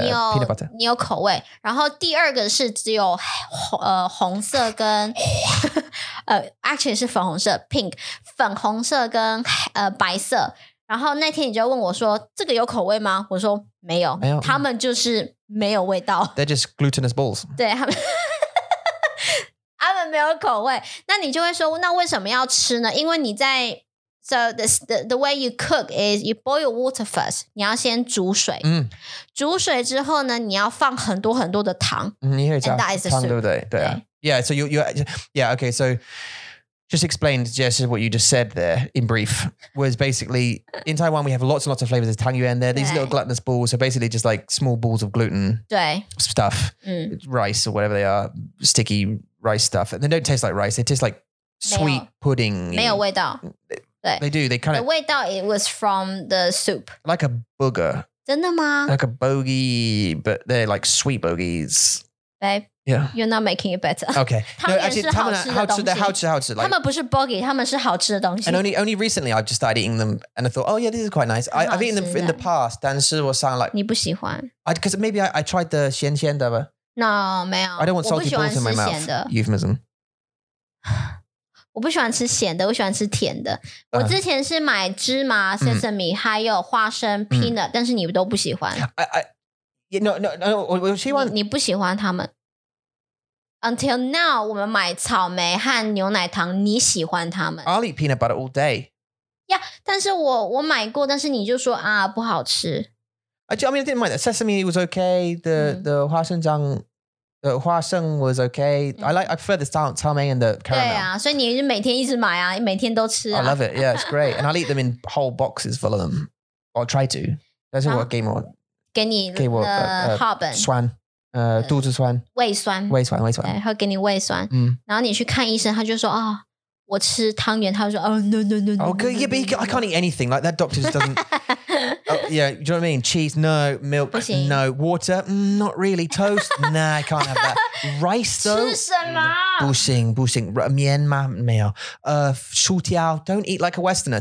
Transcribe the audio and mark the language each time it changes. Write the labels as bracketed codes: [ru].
[zh] 所以你有口味，然后第二个是只有红色跟 [en] actually [zh] 是粉红色 pink 粉红色跟白色，然后那天你就问我说这个有口味吗？我说没有，他们就是没有味道 [en] ，they're just glutinous balls， [zh] 对他们没有口味，那你就会说那为什么要吃呢？因为你在 [en] So the way you cook is you boil your water first. [zh] 你要先煮水。嗯。煮水之后呢，你要放很多很多的糖。嗯，你可以加糖，对不对？对 [en] 啊。Yeah. So you okay. So just explained Jess what you just said there in brief was basically in Taiwan we have lots and lots of flavors. There's tang yuan there. These little gluttonous balls. So basically just like small balls of gluten. [zh] 对。 [en] Stuff. Rice or whatever they are, sticky rice stuff. And they don't taste like rice. They taste like sweet pudding. [zh] 没有味道。 [en] They do. They kind of the 味道 it was from the soup, like a booger. [zh] 真的吗 [en] ？Like a bogey, but they're like sweet bogeys. Babe, yeah, you're not making it better. Okay, [zh] 汤圆是好吃的东西。好吃，好吃，好吃。他们不是 bogey， 他们是好吃的东西。 [en] And only recently, I've just started eating them, and I thought, oh yeah, this is quite nice. I've eaten them in the past, [zh] 但是我上 [en] like [zh] 你不喜欢 [en] ，because maybe I tried the [zh] 咸咸的吧。 [en] No, [zh] 没有。 [en] I don't want salty balls in my mouth. Euphemism. [zh] 我不喜欢吃咸的，我喜欢吃甜的。我之前是买芝麻 sesame，还有花生 peanut，但是你都不喜欢。 [en] No, [zh] 我希望你不喜欢他们。 [en] Until now， [zh] 我们买草莓和牛奶糖，你喜欢他们。 [en] I'll eat peanut butter all day。 [zh] 呀，但是我买过，但是你就说啊不好吃。 [en] I mean, I didn't mind that. Sesame was okay. The 花生酱。 The 花生 was okay. I prefer the tau mei and the caramel. [zh] 对啊，所以你是每天一直买啊，每天都吃啊。 [en] I love it. Yeah, it's great. And I'll eat them in whole boxes full of them. Or try to. That's what game on. [zh] 给你的 Hoban 酸，肚子酸，胃酸，胃酸，胃酸。会给你胃酸。嗯。然后你去看医生，他就说啊，我吃汤圆，他就说哦 [en] no. Oh, good. Yeah, but I can't eat anything like that. Doctor just doesn't. Yeah, do you know what I mean? Cheese, no. Milk, no. Water, not really. Toast, nah, I can't have that. Rice, though. [zh] 吃什么？不行，不行。面吗？没有。薯条 [en] don't eat like a Westerner.